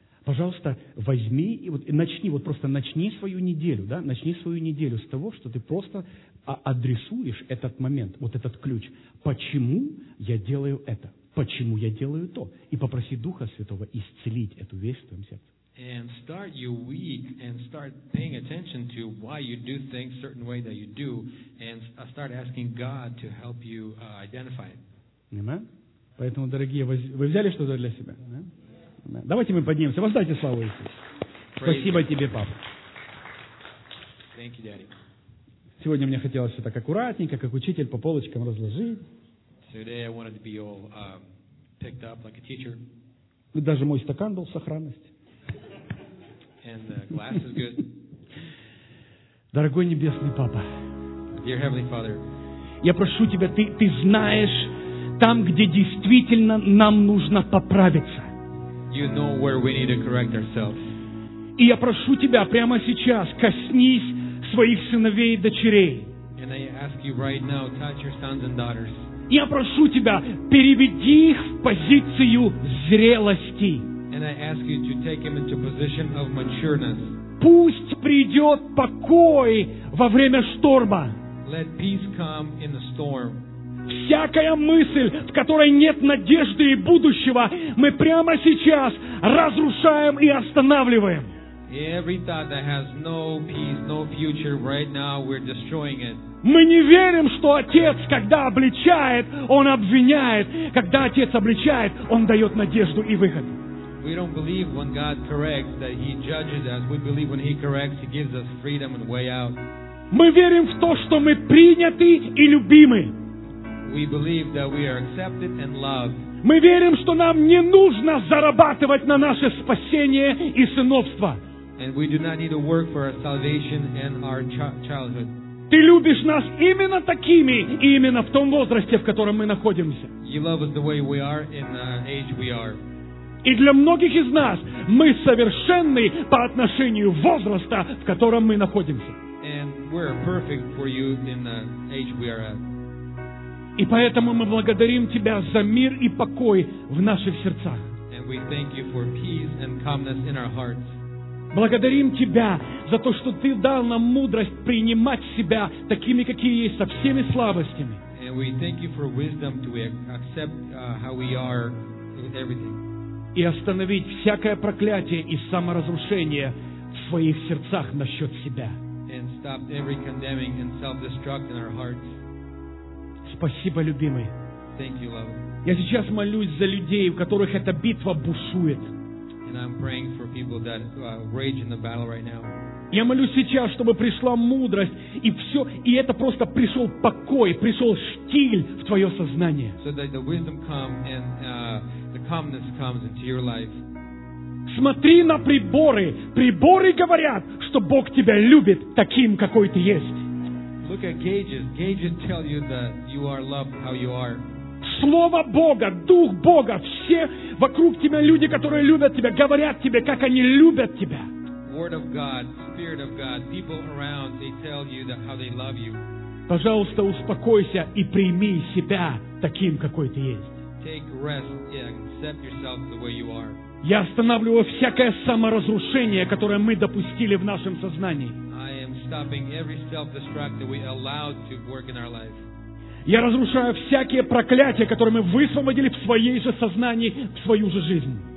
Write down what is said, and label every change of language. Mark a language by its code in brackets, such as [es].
[ru] Пожалуйста, возьми и вот начни, вот просто начни свою неделю, да, начни свою неделю с того, что ты просто адресуешь этот момент, вот этот ключ. Почему я делаю это? Почему я делаю то? И попроси Духа Святого исцелить эту вещь в твоем сердце. [en] And start your week and start paying attention to why you do things certain way that you do and start asking God to help you identify it. Amen. [ru] Поэтому, дорогие, вы взяли что-то для себя? Да? Yeah. Давайте мы поднимемся. Воздайте славу Иисусу. Спасибо тебе, Папа. [en] Thank you, Daddy. [ru] Сегодня мне хотелось все так аккуратненько, как учитель, по полочкам разложить. [en] Today I wanted to be all picked up like a teacher. [ru] Даже мой стакан был в сохранности. [en] And the glass is good. [ru] Дорогой небесный Папа. [en] Dear Heavenly Father. [ru] Я прошу тебя, ты знаешь, там, где действительно нам нужно поправиться. [en] You know where we need to correct ourselves. [ru] И я прошу тебя прямо сейчас коснись своих сыновей и дочерей. [en] And I ask you right now, touch your sons and daughters. [ru] Я прошу тебя, переведи их в позицию зрелости. [en] And I ask you to take him into position of matureness. [ru] Пусть придет покой во время шторма. [en] Let peace come in the storm. [ru] Всякая мысль, в которой нет надежды и будущего, мы прямо сейчас разрушаем и останавливаем. [en] Every thought that has no peace, no future, right now we're destroying it. [ru] Мы не верим, что Отец, когда обличает, Он обвиняет. Когда Отец обличает, Он дает надежду и выход. [en] We don't believe when God corrects that He judges us. We believe when He corrects, He gives us freedom and way out. [ru] Мы верим в то, что мы приняты и любимы. [en] We believe that we are accepted and loved. [ru] Мы верим, что нам не нужно зарабатывать на наше спасение и сыновство. [en] And we do not need to work for our salvation and our childhood. [ru] Ты любишь нас именно такими, и именно в том возрасте, в котором мы находимся. [en] You love us the way we are in the age we are. [ru] И для многих из нас мы совершенны по отношению возраста, в котором мы находимся. [en] And we're perfect for you in the age we are at. [ru] И поэтому мы благодарим Тебя за мир и покой в наших сердцах. [en] And we thank you for peace and calmness in our hearts. [ru] Благодарим Тебя за то, что Ты дал нам мудрость принимать себя такими, какие есть, со всеми слабостями. [en] And we thank you for wisdom to accept how we are with everything. [ru] И остановить всякое проклятие и саморазрушение в своих сердцах насчет себя. [en] And stop every condemning and self-destruct in our hearts. [ru] Спасибо, любимый. [en] Thank you, love. [ru] Я сейчас молюсь за людей, у которых эта битва бушует. [en] And I'm praying for people that rage in the battle right now. [ru] Я молюсь сейчас, чтобы пришла мудрость и все, и это просто пришел покой, пришел штиль в твое сознание. [en] So that the wisdom come and the calmness comes into your life. [ru] Смотри на приборы. Приборы говорят, что Бог тебя любит таким, какой ты есть. [en] Look at gauges. Gauges tell you that you are loved how you are. С [ru] Слово Бога, Дух Бога, все вокруг тебя люди, которые любят тебя, говорят тебе, как они любят тебя. [en] Word of God, Spirit of God, people around, they tell you that how they love you. [ru] Пожалуйста, успокойся и прими себя таким, какой ты есть. [en] Take rest and accept yourself the way you are. [ru] Я останавливаю всякое саморазрушение, которое мы допустили в нашем сознании. [en] I am stopping every self-destruct that we allowed to work in our life. [ru] Я разрушаю всякие проклятия, которые мы высвободили в своей же сознании, в свою же жизнь.